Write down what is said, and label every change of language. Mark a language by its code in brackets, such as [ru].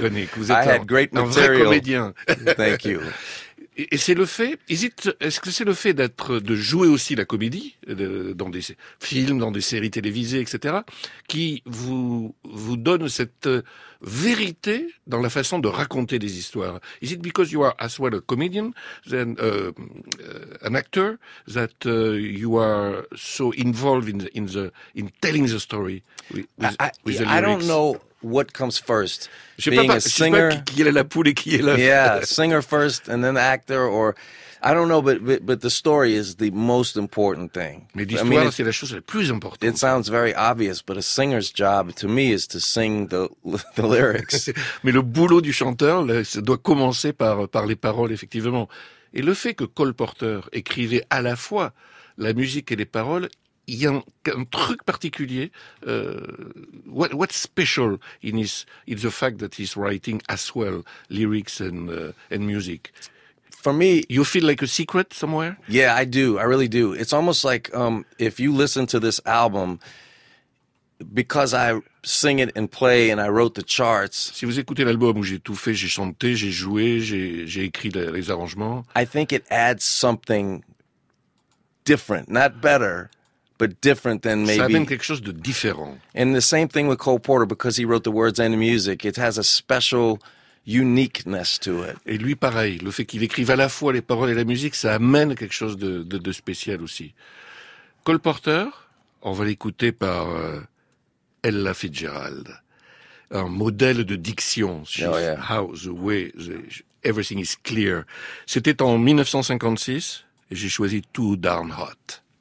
[fr] Connick, vous êtes un vrai comédien. [en] Thank you. [fr] Et c'est le fait, est-ce que c'est le fait d'être, de jouer aussi la comédie, dans des films, dans des séries télévisées, etc., qui vous donne cette vérité dans la façon de raconter des histoires? [en] Is it because you are as well a comedian, than, an actor, that you are so involved in telling the story with the lyrics? I don't know. What comes first, [fr] je being pas, [en] a singer, [fr] qui est la poule et qui est la... [en] yeah, singer first and then actor, or I don't know, but the story is the most important thing. [fr] Mais l'histoire, [en] I mean, [fr] c'est la chose la plus importante. [en] It sounds very obvious, but a singer's job to me is to sing the lyrics. [fr] Mais le boulot du chanteur, là, ça doit commencer par les paroles, effectivement. Et le fait que Cole Porter écrivait à la fois la musique et les paroles, il y a un truc particulier. [en] What's special in his, in the fact that he's writing as well lyrics and music? For me, you feel like a secret somewhere. Yeah, I do. I really do. It's almost like if you listen to this album, because I sing it and play and I wrote the charts. [fr] Si vous écoutez l'album où j'ai tout fait, j'ai chanté, j'ai joué, j'ai écrit les arrangements. [en] I think it adds something different, not better. But different than maybe. [fr] Ça amène quelque chose de différent. [en] And the same thing with Cole Porter, because he wrote the words and the music, it has a special uniqueness to it. [fr] Et lui, pareil, le fait qu'il écrive à la fois les paroles et la musique, ça amène quelque chose de spécial aussi. Cole Porter, on va l'écouter par Ella Fitzgerald, un modèle de diction. [en] Oh yeah. How the way everything is clear. [fr] C'était en 1956 et j'ai choisi Too Darn Hot.